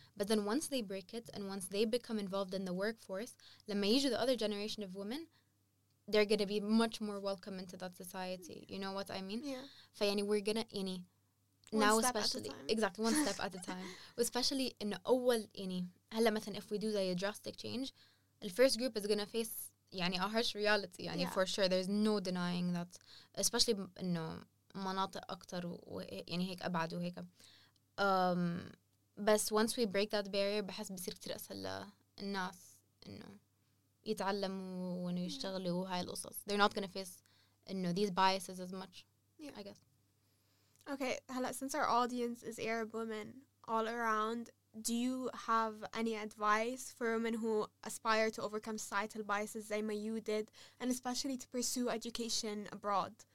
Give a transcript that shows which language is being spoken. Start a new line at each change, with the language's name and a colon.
English: But then once they break it and once they become involved in the workforce,
Arabic: لما يجي
English: the other generation of women, they're going to be much more welcome into that society. You know what I mean? Yeah.
Arabic: فيعني
English: we're going to,
Arabic: يعني,
English: now especially, exactly, one step at a time. Especially in
Arabic: أول, يعني, هلا مثلا
English: if we do the drastic change, the first group is going to face
Arabic: يعني
English: a harsh reality
Arabic: يعني
English: yeah. For sure there's no denying that, especially
Arabic: انه مناطق اكثر يعني هيك ابعد وهيك بس
English: once we break that barrier
Arabic: بحس بصير كثير اسهل للناس انه يتعلموا وانه يشتغلوا
English: yeah.
Arabic: هاي القصص
English: they're not going to face these biases as much yeah. I guess okay
Arabic: هلا
English: since our audience is Arab women all around, do you have any advice for women who aspire to overcome societal biases like you did, and especially to pursue education abroad?